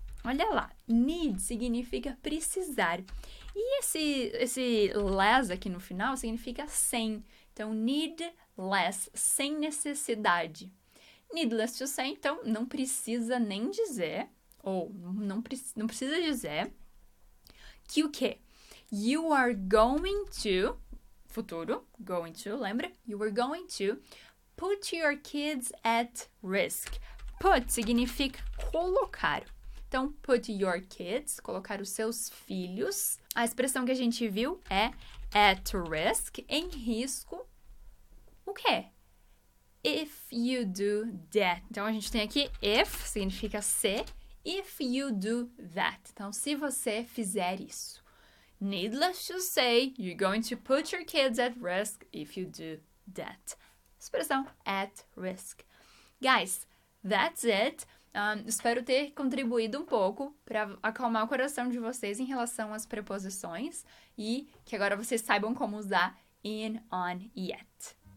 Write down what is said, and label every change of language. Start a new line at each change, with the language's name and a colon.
Portuguese: Olha lá, need significa precisar. E esse less aqui no final significa sem. Então, needless, sem necessidade.
English: Needless to say,
Portuguese: então, não precisa nem dizer, ou não precisa dizer, que o quê?
English: You are going to, futuro, going to, lembra? You are going to put your kids at risk.
Portuguese: Put significa colocar. Então,
English: put your kids,
Portuguese: colocar os seus filhos. A expressão que a gente viu é at risk, em risco. O quê?
English: If you do that.
Portuguese: Então, a gente tem aqui if, significa se.
English: If you do that.
Portuguese: Então, se você fizer isso.
English: Needless to say, you're going to put your kids at risk if you do that. Expressão at risk. Guys, that's it.
Portuguese: Espero ter contribuído um pouco para acalmar o coração de vocês em relação às preposições e que agora vocês saibam como usar in, on, yet.